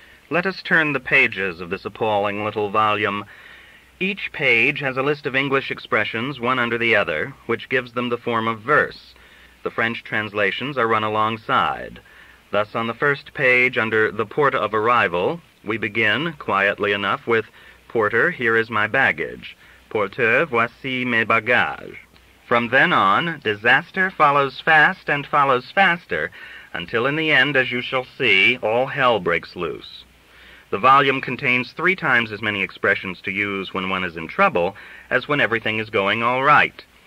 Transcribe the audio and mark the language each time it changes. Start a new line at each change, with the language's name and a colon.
English: Let us turn the pages of this appalling little volume. Each page has a list of English expressions, one under the other, which gives them the form of verse. The French translations are run alongside. Thus, on the first page, under the porta of arrival, we begin, quietly enough, with, "Porter, here is my baggage.
French: Porteur, voici mes bagages."
English: From then on, disaster follows fast and follows faster, until in the end, as you shall see, all hell breaks loose. The volume contains three times as many expressions to use when one is in trouble as when everything is going all right.